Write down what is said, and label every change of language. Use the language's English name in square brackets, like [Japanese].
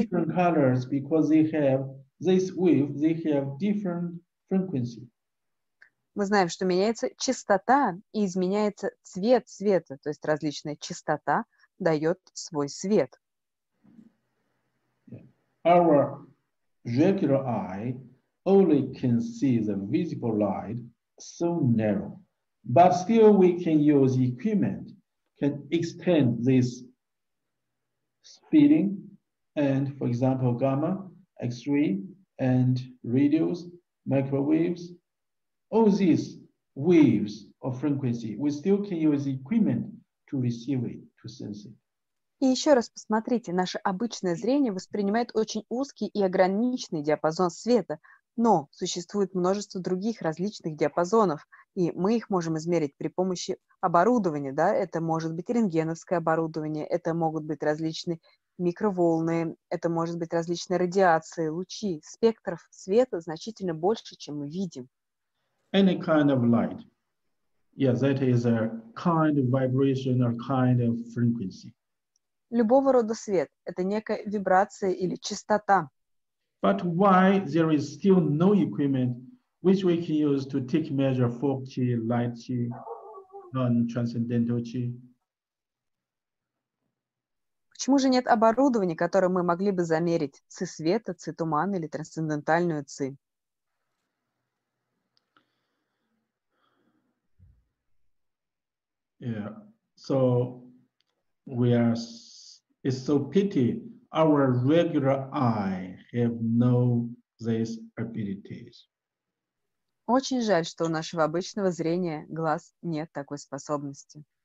[English] Different colors because they have this wave, they have different frequency. [Russian] Мы знаем, что меняется частота и изменяется цвет света, то есть различная частота дает свой свет. [English] Our regular eye only can see the visible light. So narrow, but still we can use equipment can extend this speeding, and for example gamma, X-ray, and radios, microwaves, all these waves of frequency we still can use equipment to receive it, to sense it. [Russian] И еще раз посмотрите, наше обычное зрение воспринимает очень узкий и ограниченный диапазон света. Но существует множество других различных диапазонов, и мы их можем измерить при помощи оборудования. Да? Это может быть рентгеновское оборудование, это могут быть различные микроволны, это может быть различные радиации, лучи. Спектров света значительно больше, чем мы видим. [English] Any kind of light. Yes, that is a kind of vibration or kind of frequency. [Russian] Любого рода свет. Это некая вибрация или частота. [English] But why there is still no equipment which we can use to take measure for qi, light qi, non-transcendental qi? [Russian] Почему же нет оборудования, которое мы могли бы замерить ци света, ци тумана или трансцендентальную ци? [English] Yeah, so we are. It's so pity our regular eye have no these abilities. [Russian] Очень жаль, что у нашего обычного зрения глаз нет такой способности.